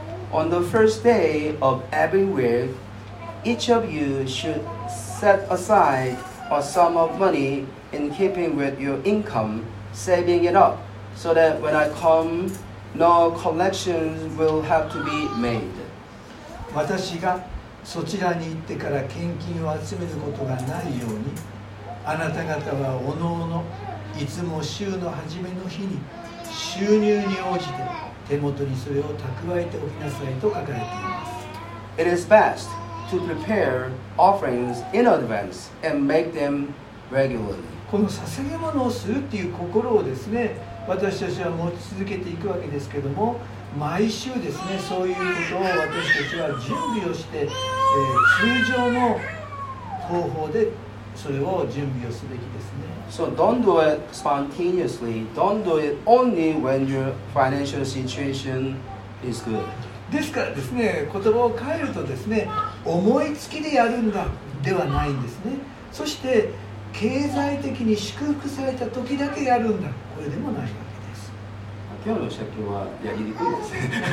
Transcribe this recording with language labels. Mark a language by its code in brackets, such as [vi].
[en] On the first day of every week, each of you should set aside a sum of money in keeping with your income, saving it up, so that when I come, no collections will have to be made. [ja] 私がそちらに行ってから献金を集めることがないように、あなた方はおのおのいつも週の初めの日に収入に応じて手元にそれを蓄えておきなさいと書かれています。 [en] It is best to prepare offerings in advance and make them regularly. [ja] この捧げ物をするっていう心をですね、私たちは持ち続けていくわけですけども、毎週ですね、そういうことを私たちは準備をして、通常の方法でそれを準備をすべきですね。 [en] So don't do it spontaneously. Don't do it only when your financial situation is good. [ja] ですからですね、言葉を変えるとですね、思いつきでやるんだではないんですね。そして経済的に祝福された時だけやるんだ。これでもない。今日の借金はやりにくいですね。